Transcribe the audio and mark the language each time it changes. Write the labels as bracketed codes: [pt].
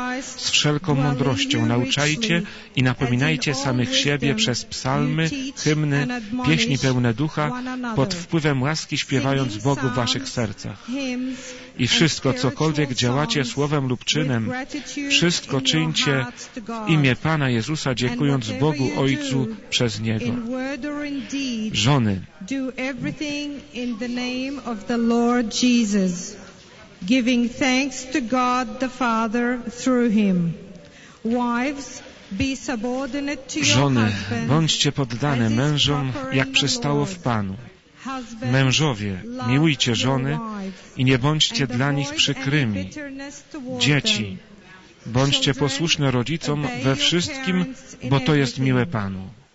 [pl] Z wszelką mądrością nauczajcie i napominajcie samych siebie przez psalmy, hymny, pieśni pełne ducha, pod wpływem łaski śpiewając Bogu w waszych sercach. I wszystko, cokolwiek działacie słowem lub czynem, wszystko czyńcie w imię Pana Jezusa, dziękując Bogu Ojcu przez Niego. Żony, [en] do everything in the name of the Lord Jesus, giving thanks to God the Father through Him. Wives, be subordinate to your husbands. [pl] Żony, bądźcie poddane mężom, jak przystało w Panu. Mężowie, miłujcie żony i nie bądźcie dla nich przykrymi. Dzieci, bądźcie posłuszne rodzicom we wszystkim, bo to jest miłe Panu.